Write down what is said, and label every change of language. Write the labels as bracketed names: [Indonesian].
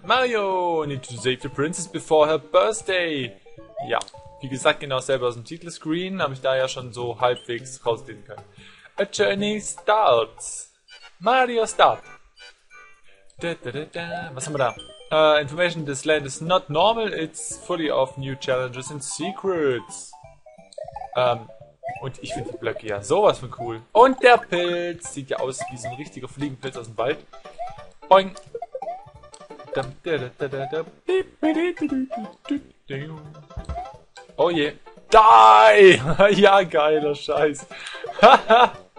[English] Mario, need to save the princess before her birthday. [German] Ja, wie gesagt, genau selber aus dem Titelscreen, habe ich da ja schon so halbwegs rauslesen können. [English] A journey starts. Mario, start. Da, da, da, da. [German] Was haben wir da? [English] Information, this land is not normal, it's fully of new challenges and secrets. [German] Und ich finde die Blöcke ja sowas von cool. Und der Pilz sieht ja aus wie so ein richtiger Fliegenpilz aus dem Wald. Boing. Da, da, da, da, da, da. Beep, da, da, da, da, da. Ding. Oh je. Die! Ja, geiler Scheiß. Haha.